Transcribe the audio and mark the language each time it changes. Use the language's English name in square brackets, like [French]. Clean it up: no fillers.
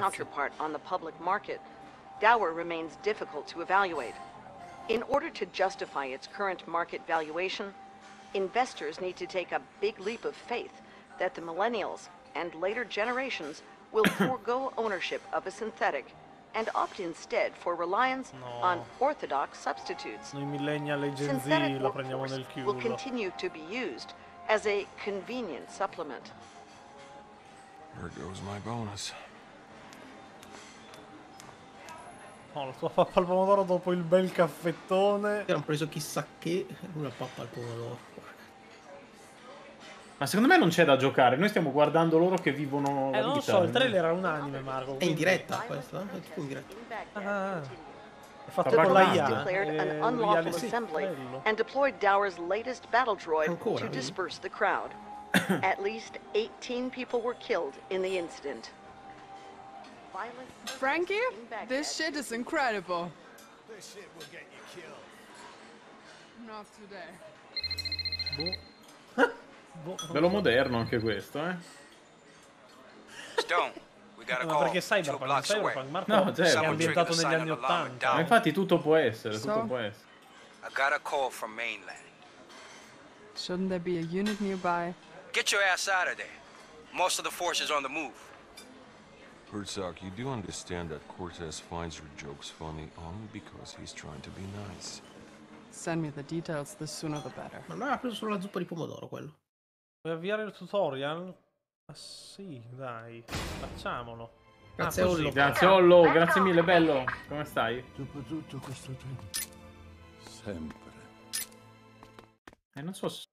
[English] Counterpart on the public market, Dower remains difficult to evaluate. In order to justify its current market valuation, investors need to take a big leap of faith that the millennials and later generations will forego ownership of a synthetic and opt instead for reliance on orthodox substitutes. [Italian] Noi millennial e Gen Z la prendiamo nel chiuso. [English] Will continue to be used as a convenient supplement. Here goes my bonus. [Italian] Oh, la tua pappa al pomodoro dopo il bel caffettone. Hanno preso chissà che una pappa al pomodoro. Ma secondo me non c'è da giocare. Noi stiamo guardando loro che vivono la vita. Non lo so, il trailer era un anime, Marco. È in diretta questo, è tipo in diretta. Ah, è fatto con la IA. [English] And deployed Dower's latest battle droid to disperse the crowd. At least 18 people were killed in the incident. Frankie, this shit is incredible. This shit will get you killed. Not today. [Italian] Bello moderno anche questo, eh. [English] Stone, we got a call. [Italian] Ma perché Cyberpunk, Marco, no, certo. È ambientato negli anni 80. Ma infatti tutto può essere, tutto può essere. [English] I got a call from mainland. Shouldn't there be a unit nearby? Get your ass out of there. Most of the forces on the move. Herzog, you do understand that Cortez finds your jokes funny only because he's trying to be nice. Send me the details, the sooner the better. [Italian] Ma no, ha preso solo la zuppa di pomodoro, quello. Vuoi avviare il tutorial? Ma sì, dai, facciamolo. Grazie, ah, Ollo. Grazie, Ollo, grazie mille, bello. Come stai? Dopo tutto questo tempo. Sempre. Non so se...